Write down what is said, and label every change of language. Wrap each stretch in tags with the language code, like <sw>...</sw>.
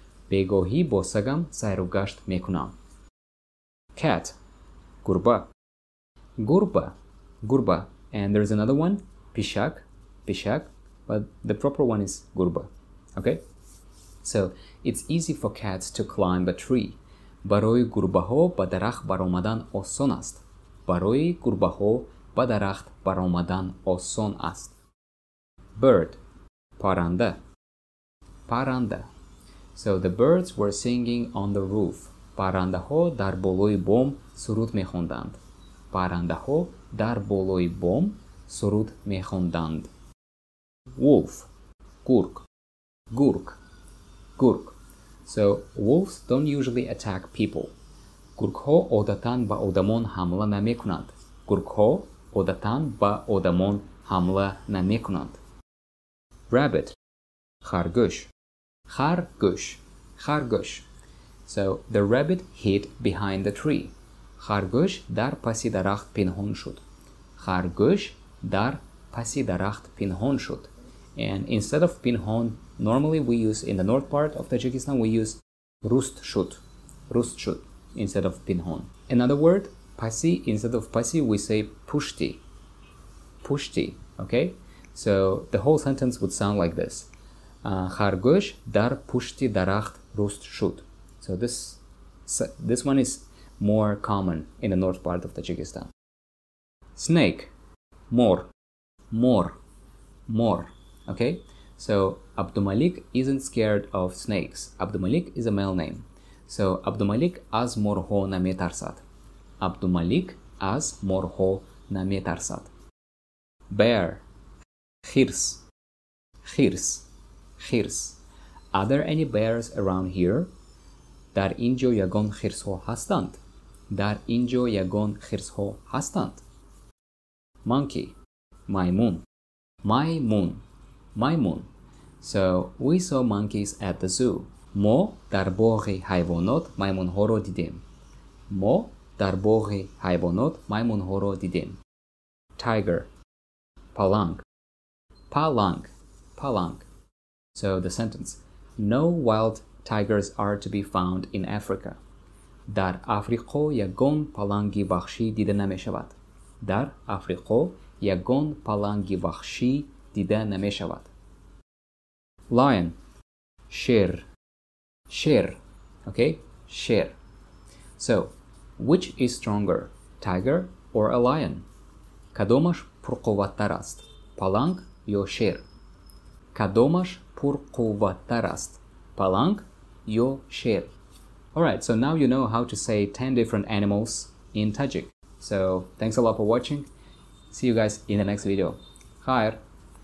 <tg>Бегохи бо сагам сайругаш мекунам. Cat, гурба. Гурба, гурба.</tg> <en>And there's another one, пишак, пишак. But the proper one is гурба, okay? So it's easy for cats to climb a tree.</en> <tg>Барои гурбаҳо ба дарахт баромадан осон аст. Барои гурбаҳо ба дарахт баромадан осон аст. Bird, паранда, паранда.</tg> <en>So the birds were singing on the roof.</en> <tg>Парандаҳо дар болои бом суруд мехонданд. Парандаҳо дар болои бом суруд мехонданд. Wolf, гург, гург, гург.</tg> <en>So wolves don't usually attack people.</en> <tg>Гургҳо одатан ба одамон ҳамла намекунанд. Гургҳо одатан ба одамон ҳамла намекунанд. Rabbit, харгӯш, харгӯш, харгӯш.</tg> <en>So the rabbit hid behind the tree.</en> <tg>Харгӯш дар паси дарахт пинҳон шуд. Харгӯш дар паси дарахт пинҳон шуд.</tg> <en>And instead of пинҳон, normally we use in the north part of Tajikistan, we use руст шуд instead of пинҳон. Another word, паси, instead of паси, we say пушти, пушти, okay? So the whole sentence would sound like this.</en> <tg>Харгӯш дар пушти дарахт руст шуд.</tg> <en>So this one is more common in the north part of Tajikistan.</en> <tg>Snake, мор, мор, мор.</tg> <en>Okay? So Абдумалик isn't scared of snakes. Абдумалик is a male name.</en> <tg>So Абдумалик аз морҳо наметарсад. Абдумалик аз морҳо наметарсад. Bear, хирс, хирс, хирс.</tg> <en>Are there any bears around here?</en> <tg>Дар инҷо ягон хирсҳо ҳастанд. Дар инҷо ягон хирсҳо ҳастанд. Monkey, маймун, маймун, маймун.</tg> <en>So we saw monkeys at the zoo.</en> <tg>Мо дар боғи ҳайвонот маймунҳоро дидем. Мо дар боғи ҳайвонот маймунҳоро дидем. Tiger, паланг, паланг, паланг.</tg> <en>So the sentence, no wild tigers are to be found in Africa.</en> <tg>Дар Африқо ягон паланги вахшӣ дида намешавад. Дар Африқо ягон паланги вахшӣ дида намешавад. Lion, шер, шер.</tg> <en>Okay, шер. So, which is stronger, tiger or a lion?</en> <tg>Кадомаш пурқувваттар аст, паланг ё шер? Кадомаш пурқувваттар аст, паланг ё шер?</tg> <en>Alright, so now you know how to say 10 different animals in Tajik. So, thanks a lot for watching. See you guys in the next video. Хайр!</en>